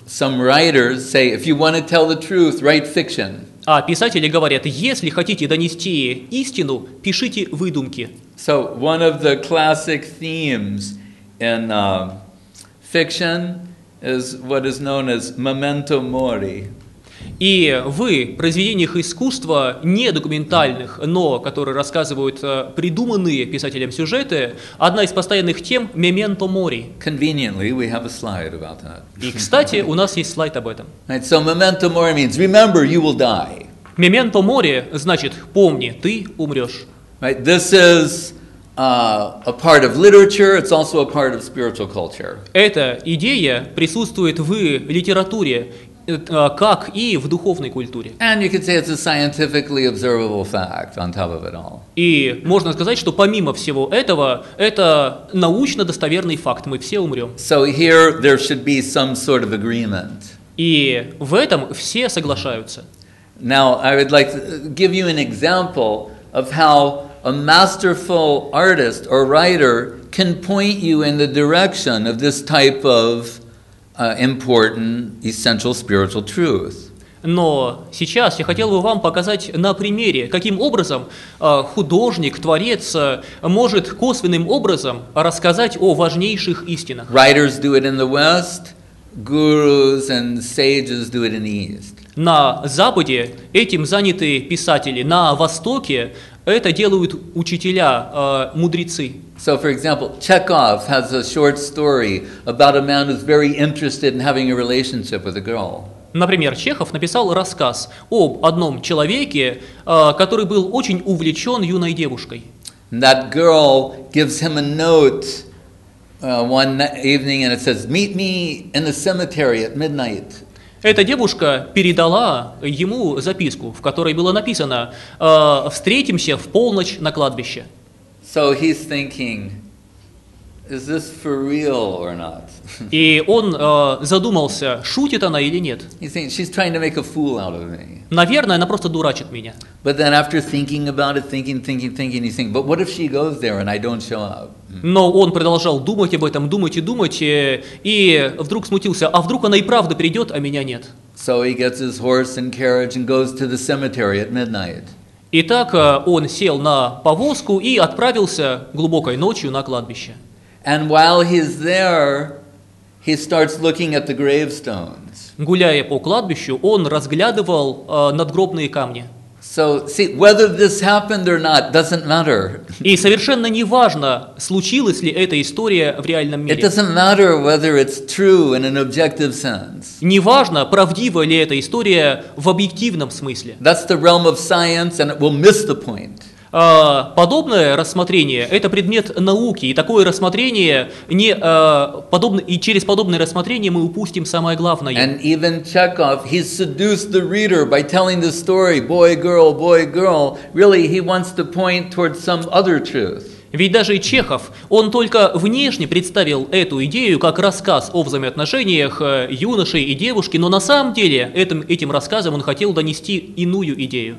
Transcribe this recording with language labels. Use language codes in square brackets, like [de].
[en] Some writers say, if you want to tell the truth, write fiction. [ru] А писатели говорят, если хотите донести истину, пишите выдумки. [en] So one of the classic themes in fiction is what is known as memento mori. [ru] И в произведениях искусства, не документальных, но которые рассказывают придуманные писателем сюжеты, одна из постоянных тем – memento mori. [en] Conveniently, we have a slide about that. [ru] И, кстати, у нас есть слайд об этом. [en] Right, so memento mori means remember, you will die. [ru] Memento mori значит «помни, ты умрешь». [en] Right. This is a part of literature. It's also a part of spiritual culture. [ru] Эта идея присутствует в литературе, как и в духовной культуре. [en] And you could say it's a scientifically observable fact on top of it all. [ru] И можно сказать, что помимо всего этого, это научно достоверный факт. Мы все умрем. [en] So here there should be some sort of agreement. [ru] И в этом все соглашаются. [en] Now I would like to give you an example of how a masterful artist or writer can point you in the direction of this type of important, essential spiritual truth. [ru] Но сейчас я хотел бы вам показать на примере, каким образом художник, творец может косвенным образом рассказать о важнейших истинах. [en] Writers do it in the West, gurus and sages do it in the East. [ru] На Западе этим заняты писатели, на Востоке это делают учителя, мудрецы. [en] So, for example, Chekhov has a short story about a man who's very interested in having a relationship with a girl. [ru] Например, Чехов написал рассказ об одном человеке, который был очень увлечен юной девушкой. [en] And that girl gives him a note one evening, and it says, "Meet me in the cemetery at midnight." [ru] Эта девушка передала ему записку, в которой было написано «Встретимся в полночь на кладбище». [en] So he's thinking, is this for real or not? [ru] И он задумался, шутит она или нет. [en] He's thinking, she's trying to make a fool out of me. [ru] Наверное, она просто дурачит меня. [en] But then after thinking about it, thinking, he's thinking, but what if she goes there and I don't show up? [ru] Но он продолжал думать об этом, думать, и вдруг смутился, а вдруг она и правда придет, а меня нет? [en] So he gets his horse and carriage and goes to the cemetery at midnight. [ru] Итак, он сел на повозку и отправился глубокой ночью на кладбище. [en] And while he's there, he starts looking at the gravestones. [ru] Гуляя по кладбищу, он разглядывал надгробные камни. [en] So, see, whether this happened or not doesn't matter. [ru] И совершенно не важно, случилась ли эта история в реальном мире. [en] It doesn't matter whether it's true in an objective sense. [ru] Не важно, правдива ли эта история в объективном смысле. [en] That's the realm of science, and it will miss the point. [ru] Подобное рассмотрение – это предмет науки, и такое рассмотрение и через подобное рассмотрение мы упустим самое главное. [en] And even Chekhov, he seduced the reader by telling the story, boy, girl, boy, girl. Really, he wants to point towards some other truth. [ru] Ведь даже Чехов, он только внешне представил эту идею как рассказ о взаимоотношениях юноши и девушки, но на самом деле этим рассказом он хотел донести иную идею.